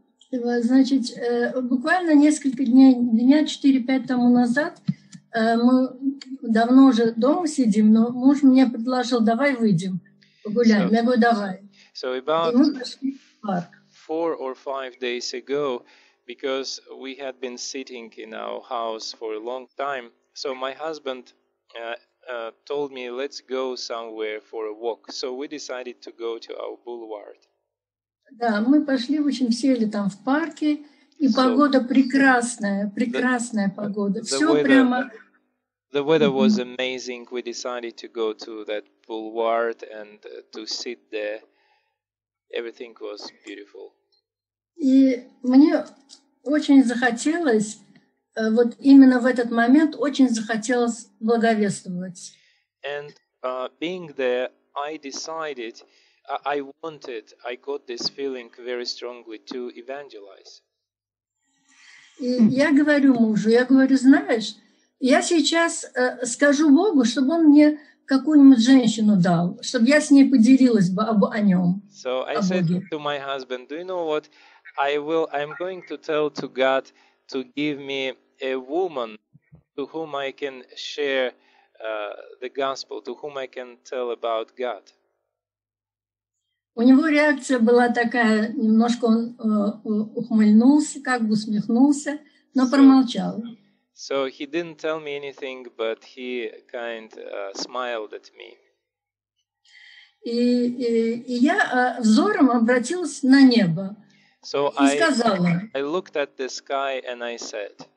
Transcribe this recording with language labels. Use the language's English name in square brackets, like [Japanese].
[Russian] Значит, буквально несколько дней, дня 4-5 тому назад, мы давно уже дома сидим, но муж мне предложил, давай выйдем, погуляем. Я говорю, давай. [English] So about [Russian] мы пошли в парк. [English] 4 or 5 days ago, because we had been sitting in our house for a long time, so my husband told me, let's go somewhere for a walk. So we decided to go to our boulevard. [Russian] Да, мы пошли, в общем, сели там в парке, И погода прекрасная, прекрасная погода. Все прямо... [English] The weather was amazing. We decided to go to that boulevard and to sit there. Everything was beautiful. [Russian] И мне очень захотелось, вот именно в этот момент, очень захотелось благовествовать. [English] And being there, I decided, I wanted, I got this feeling very strongly to evangelize. [Russian] И я говорю мужу, я говорю, знаешь... Я сейчас скажу Богу, чтобы он мне какую-нибудь женщину дал, чтобы я с ней поделилась бы об о нем. [English] So I said to my husband, do you know what? I'm going to tell to God to give me a woman to whom I can share the gospel, to whom I can tell about God. [Russian] У него реакция была такая, немножко он ухмыльнулся, как бы усмехнулся, но промолчал. [English] So he didn't tell me anything, but he kind smiled at me. [Russian] И я взором обратилась на небо. [English] So [Russian] и сказала. [English] I looked at the sky and I said.